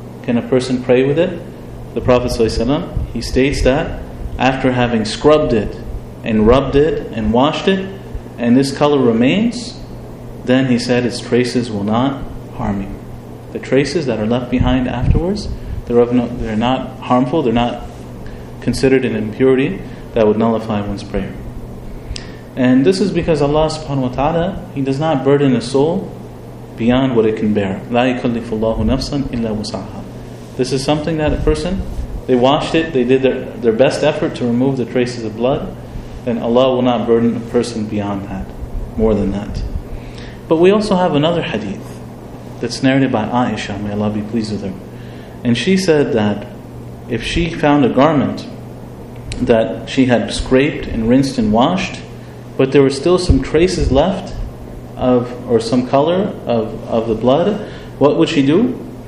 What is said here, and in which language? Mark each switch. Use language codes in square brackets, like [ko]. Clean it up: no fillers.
[en] Can a person pray with it? The Prophet ﷺ, he states that after having scrubbed it, and rubbed it, and washed it, and this color remains, then he said its traces will not harm you. The traces that are left behind afterwards, they're not harmful, they're not considered an impurity that would nullify one's prayer. And this is because Allah subhanahu wa ta'ala, He does not burden a soul beyond what it can bear. [ar] لا يكلف الله نفسا إلا وسعها. [en] This is something that a person, they washed it, they did their best effort to remove the traces of blood, then Allah will not burden a person beyond that, more than that. But we also have another hadith that's narrated by Aisha, may Allah be pleased with her. And she said that if she found a garment that she had scraped and rinsed and washed, but there were still some traces left of, or some color of the blood, what would she do?